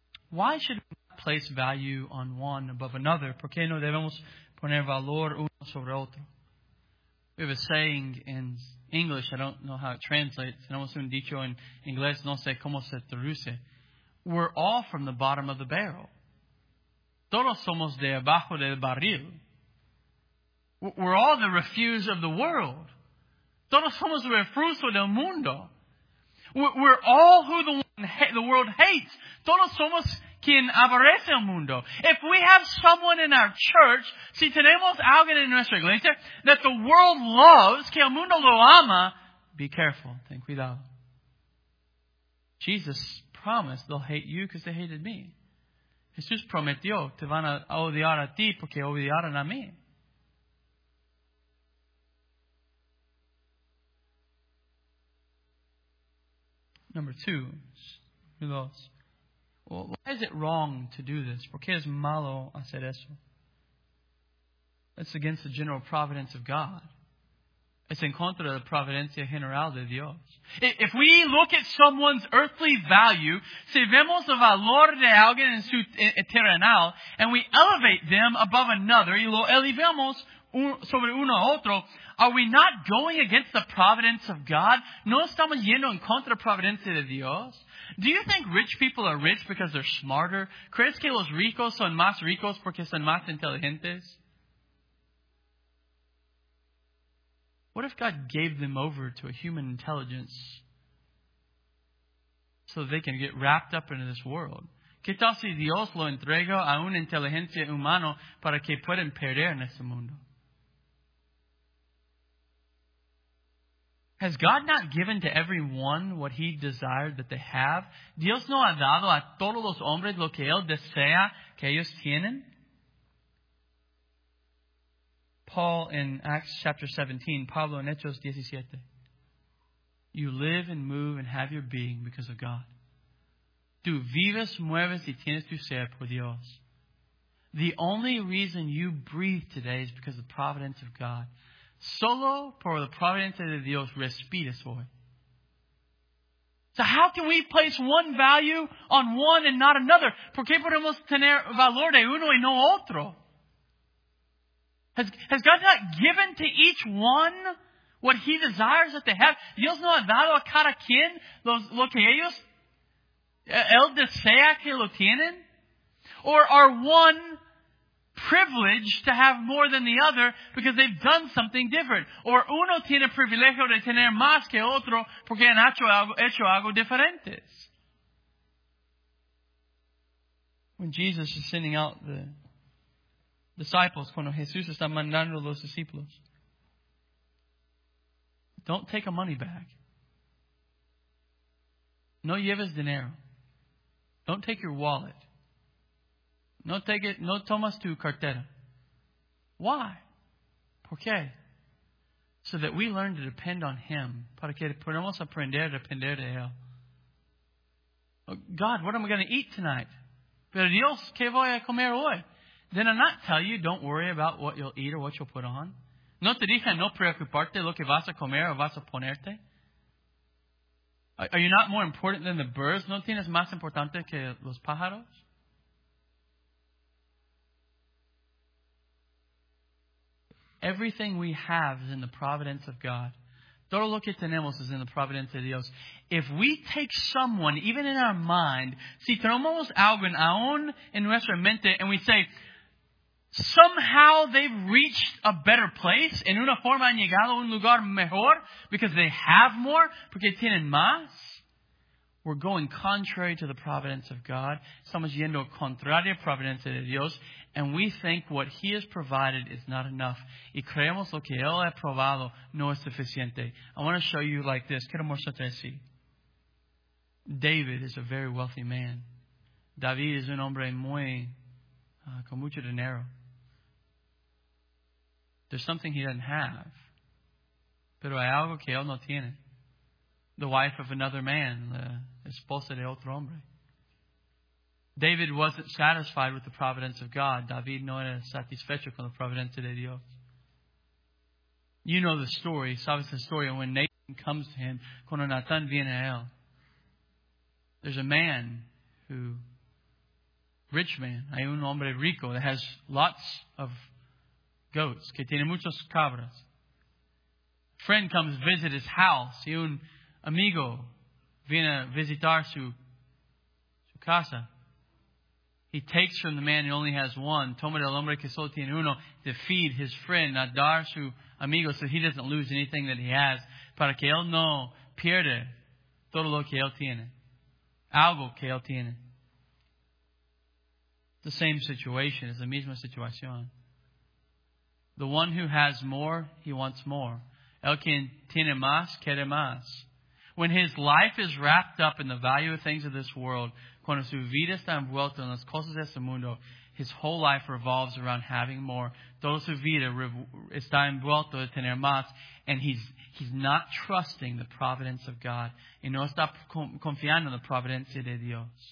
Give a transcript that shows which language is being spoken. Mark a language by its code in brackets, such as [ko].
[en] Why should we place value on one above another? [es] ¿Por qué no debemos poner valor uno sobre otro? [en] We have a saying in English, I don't know how it translates. [es] Tenemos un dicho en inglés, no sé cómo se traduce. [en] We're all from the bottom of the barrel. [es] Todos somos de abajo del barril. [en] We're all the refuse of the world. [es] Todos somos el refuso del mundo. [en] We're all who the world hates. [es] Todos somos quien aborrece el mundo. [en] If we have someone in our church, [es] si tenemos alguien en nuestra iglesia, [en] that the world loves, [es] que el mundo lo ama, [en] be careful, [es] ten cuidado. [en] Jesus promised they'll hate you because they hated me. [es] Jesús prometió, te van a odiar a ti porque odiaron a mí. [en] Number two, who else? Well, why is it wrong to do this? [es] ¿Por qué es malo hacer eso? [en] It's against the general providence of God. It's [es] en contra de la providencia general de Dios. [en] If we look at someone's earthly value, [es] si vemos el valor de alguien en su terrenal, [en] and we elevate them above another, [es] y lo elevamos sobre uno a otro, [en] are we not going against the providence of God? [es] ¿No estamos yendo en contra la providencia de Dios? [en] Do you think rich people are rich because they're smarter? [es] ¿Crees que los ricos son más ricos porque son más inteligentes? [en] What if God gave them over to a human intelligence so they can get wrapped up into this world? [es] ¿Qué tal si Dios lo entrega a una inteligencia humana para que puedan perder en este mundo? [en] Has God not given to every one what he desired that they have? [es] ¿Dios no ha dado a todos los hombres lo que él desea que ellos tienen? [en] Paul in Acts chapter 17, [es] Pablo en Hechos 17. [en] You live and move and have your being because of God. [es] Tú vives, mueves y tienes tu ser por Dios. [en] The only reason you breathe today is because of the providence of God. [es] Solo por la providencia de Dios respiras hoy. [en] So how can we place one value on one and not another? [es] ¿Por qué podemos tener valor de uno y no otro? [en] Has God not given to each one what he desires that they have? [es] ¿Dios no ha dado a cada quien lo que ellos, él desea que lo tienen? [en] Or are one privilege to have more than the other because they've done something different? [es] Or uno tiene privilegio de tener más que otro porque han hecho algo diferente. [en] When Jesus is sending out the disciples, [es] cuando Jesús está mandando los discípulos, [en] don't take a money bag. [es] No lleves dinero. [en] Don't take your wallet. [es] No take it, no tomas tu cartera. Why? ¿Por qué? [en] So that we learn to depend on Him. [es] Para que podamos aprender a depender de Él. [en] God, what am I going to eat tonight? [es] Pero Dios, ¿qué voy a comer hoy? [en] Did I not tell you, don't worry about what you'll eat or what you'll put on? [es] ¿No te dije no preocuparte lo que vas a comer o vas a ponerte? [en] Are you not more important than the birds? [es] ¿No tienes más importante que los pájaros? [en] Everything we have is in the providence of God. [es] Todo lo que tenemos es en la providencia de Dios. [en] If we take someone, even in our mind, [es] si tomamos alguien aún en nuestra mente, [en] and we say, somehow they've reached a better place, [es] en una forma han llegado a un lugar mejor, [en] because they have more, [es] porque tienen más, [en] we're going contrary to the providence of God. [es] Estamos yendo contrario a la providencia de Dios. [en] And we think what He has provided is not enough. [es] Y creemos lo que Él ha probado no es suficiente. [en] I want to show you like this. [es] Quiero mostrarte así. [en] David is a very wealthy man. [es] David es un hombre muy, con mucho dinero. [en] There's something he doesn't have. [es] Pero hay algo que Él no tiene. [en] The wife of another man, [es] la esposa de otro hombre. [en] David wasn't satisfied with the providence of God. [es] David no era satisfecho con la providencia de Dios. [en] You know the story. [es] Sabes la historia. [en] When Nathan comes to him, [es] cuando Nathan viene a él, [en] there's a man who, rich man, [es] hay un hombre rico [en] that has lots of goats, [es] que tiene muchos cabras. [en] Friend comes visit his house, [es] y un amigo viene a visitar su casa. [en] He takes from the man who only has one. [es] Toma del hombre que solo tiene uno. [en] To feed his friend. [es] A dar su amigo. [en] So he doesn't lose anything that he has. [es] Para que él no pierda todo lo que él tiene. Algo que él tiene. [en] The same situation. [es] Es la misma situación. [en] The one who has more, he wants more. [es] El que tiene más, quiere más. [en] When his life is wrapped up in the value of things of this world, [es] cuando su vida está envuelta en las cosas de este mundo, [en] his whole life revolves around having more. [es] Toda su vida está envuelta de tener más. [en] And he's not trusting the providence of God. [es] Y no está confiando en la providencia de Dios.